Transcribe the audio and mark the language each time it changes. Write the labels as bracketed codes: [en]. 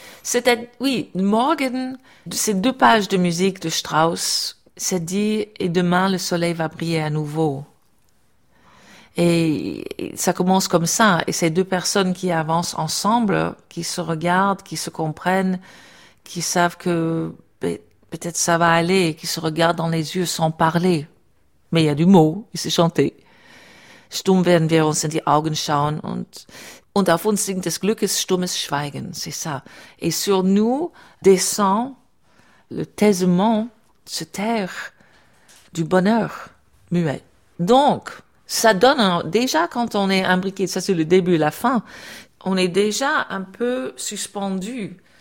[fr] C'était, oui, Morgan, ces deux pages de musique de Strauss, ça dit « Et demain, le soleil va briller à nouveau ». Et ça commence comme ça. Et ces deux personnes qui avancent ensemble, qui se regardent, qui se comprennent, qui savent que peut-être ça va aller, qui se regardent dans les yeux sans parler. Mais il y a du mot, il s'est chanté. [de] Stumm werden wir uns in die Augen schauen und auf uns singt des Glückes stummes Schweigen. [fr] C'est ça. Et sur nous descend le taisement, se taire du bonheur muet. Donc, ça donne, déjà quand on est imbriqué, ça c'est le début, la fin, on est déjà un peu suspendu.